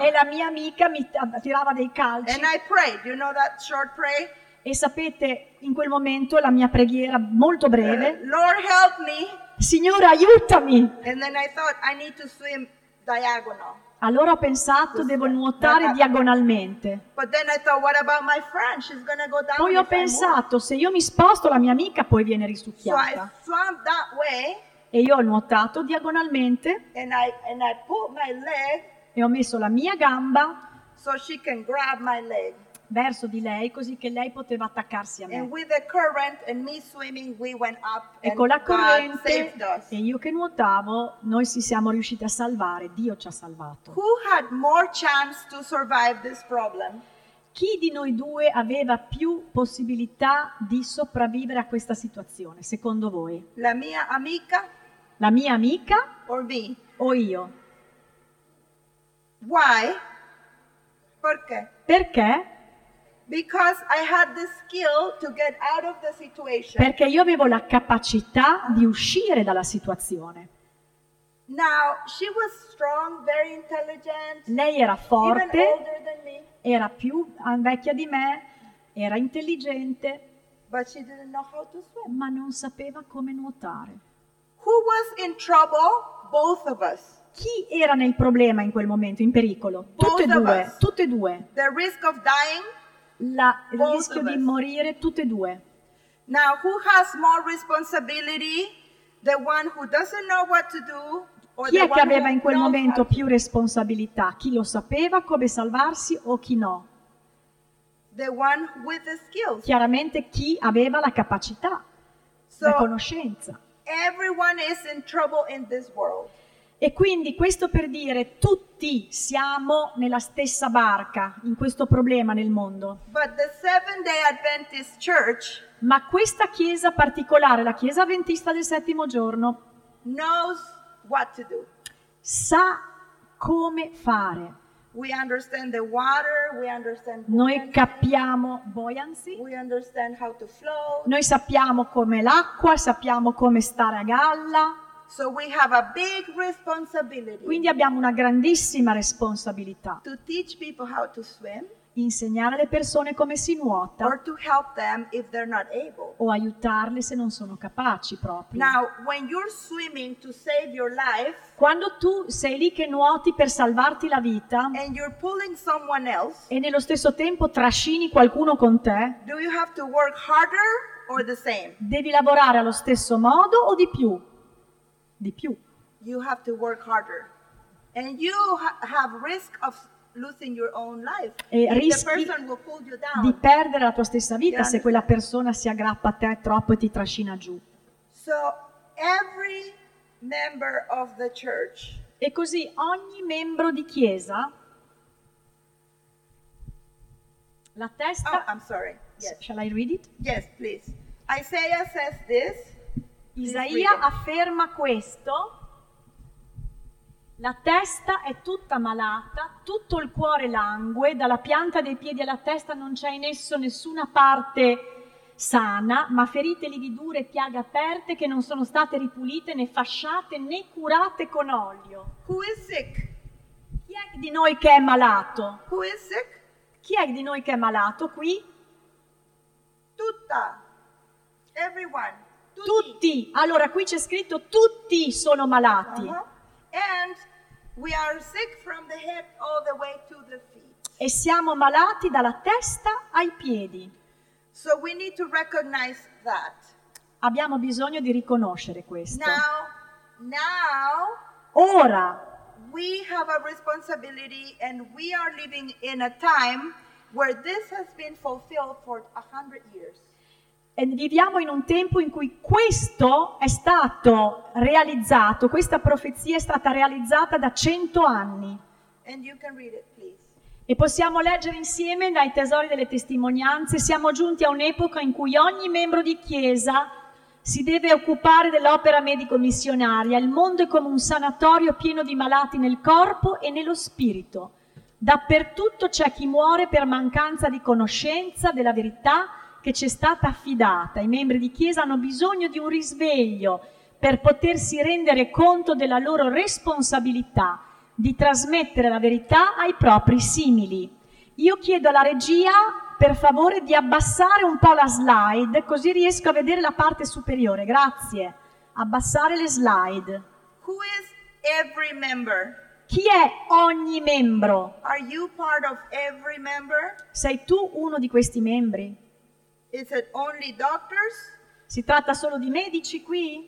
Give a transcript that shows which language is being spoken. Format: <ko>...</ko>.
<it>E la mia amica mi tirava dei calci.</it> <en>And I prayed, you know that short prayer?</en> <it>E sapete, in quel momento la mia preghiera molto breve.</it> <en>Lord help me.</en> <it>Signore aiutami.</it> <en>And then I thought I need to swim diagonal.</en> <it>Allora ho pensato devo nuotare diagonalmente.</it> <en>But then I thought what about my friend? She's gonna go down.</en> <it>Poi ho pensato se io mi sposto la mia amica poi viene risucchiata.</it> <en>So I swam that way.</en> <it>E io ho nuotato diagonalmente.</it> <en>And I put my leg.</en> <it>E ho messo la mia gamba.</it> <en>So she can grab my leg.</en> <it>Verso di lei così che lei poteva attaccarsi a me.</it> <en>And with the current and me swimming, we went up.</en> <it>E con la corrente</it> <en>saved us.</en> <it>E io che nuotavo, noi ci siamo riusciti a salvare. Dio ci ha salvato.</it> <en>Who had more chance to survive this problem?</en> <it>Chi di noi due aveva più possibilità di sopravvivere a questa situazione, secondo voi? La mia amica? La mia amica?</it> <en>Or me?</en> <it>O io?</it> <en>Why?</en> <it>Perché? Perché?</it> <en>Because I had the skill to get out of the situation.</en> <it>Perché io avevo la capacità di uscire dalla situazione.</it> <en>Now, she was strong, very intelligent.</en> <it>Lei era forte.</it> <en>Even older than me.</en> <it>Era più vecchia di me, era intelligente.</it> <en>But she didn't know how to swim.</en> <it>Ma non sapeva come nuotare.</it> <en>Who was in trouble? Both of us.</en> <it>Chi era nel problema in quel momento, in pericolo? Tutte e due, tutte e due.</it> <en>The risk of dying.</en> <it>Il rischio di morire tutte e due.</it> <en>Now who has more responsibility? The one who doesn't know what to do or</en> <it>chi è che aveva in quel momento più responsabilità? Chi lo sapeva come salvarsi o chi no?</it> <en>The one with the skills.</en> <it>Chiaramente chi aveva la capacità,</it> <en>so,</en> <it>la conoscenza.</it> <en>Everyone is in trouble in this world.</en> <it>E quindi questo per dire tutti siamo nella stessa barca in questo problema nel mondo.</it> <en>But the Seventh Day Adventist Church,</en> <it>ma questa chiesa particolare, la chiesa avventista del settimo giorno,</it> <en>knows what to do.</en> <it>Sa come fare.</it> <en>We understand the water, we understand</en> <it>buoyancy. Noi capiamo buoyancy.</it> <en>We understand how to flow.</en> <it>Noi sappiamo come l'acqua, sappiamo come stare a galla.</it> <en>So we have a big responsibility.</en> <it>Quindi abbiamo una grandissima responsabilità.</it> <en>To teach people how to swim.</en> <it>Insegnare alle persone come si nuota.</it> <en>Or to help them if they're not able.</en> <it>O aiutarle se non sono capaci proprio.</it> <en>Now, when you're swimming to save your life,</en> <it>quando tu sei lì che nuoti per salvarti la vita,</it> <en>and you're pulling someone else,</en> <it>e nello stesso tempo trascini qualcuno con te,</it> <en>do you have to work harder or the same?</en> <it>Devi lavorare allo stesso modo o di più? Di più.</it> <en>You have to work harder. And you have risk of losing your own life.</en> <it>E rischi di perdere la tua stessa vita se quella persona si aggrappa a te troppo e ti trascina giù.</it> <en>So every member of the church.</en> <it>E così ogni membro di chiesa. La testa.</it> <en>Oh, I'm sorry. Yes. Shall I read it? Yes, please. Isaiah says this.</en> <it>Isaia afferma questo. La testa è tutta malata, tutto il cuore langue, dalla pianta dei piedi alla testa non c'è in esso nessuna parte sana, ma ferite, lividure e piaghe aperte che non sono state ripulite né fasciate né curate con olio.</it> <en>Who is sick?</en> <it>Chi è di noi che è malato?</it> <en>Who is sick?</en> <it>Chi è di noi che è malato qui? Tutta.</it> <en>Everyone.</en> <it>Tutti. Tutti. Allora qui c'è scritto tutti sono malati.</it> <en>And we are sick from the head all the way to the feet.</en> <it>E siamo malati dalla testa ai piedi.</it> <en>So we need to recognize that.</en> <it>Abbiamo bisogno di riconoscere questo.</it> <en>Now</en> <it>ora</it> <en>we have a responsibility and we are living in a time where this has been fulfilled for 100 years.</en> <it>E viviamo in un tempo in cui questo è stato realizzato, questa profezia è stata realizzata da 100 anni.</it> <en>And you can read it, please.</en> <it>E possiamo leggere insieme dai tesori delle testimonianze. Siamo giunti a un'epoca in cui ogni membro di chiesa si deve occupare dell'opera medico-missionaria. Il mondo è come un sanatorio pieno di malati nel corpo e nello spirito. Dappertutto c'è chi muore per mancanza di conoscenza della verità che ci è stata affidata. I membri di chiesa hanno bisogno di un risveglio per potersi rendere conto della loro responsabilità di trasmettere la verità ai propri simili. Io chiedo alla regia, per favore, di abbassare un po' la slide, così riesco a vedere la parte superiore. Grazie. Abbassare le slide.</it> <en>Who is every member?</en> <it>Chi è ogni membro?</it> <en>Are you part of every member?</en> <it>Sei tu uno di questi membri?</it> <en>Is it only doctors?</en> <it>Si tratta solo di medici qui?</it>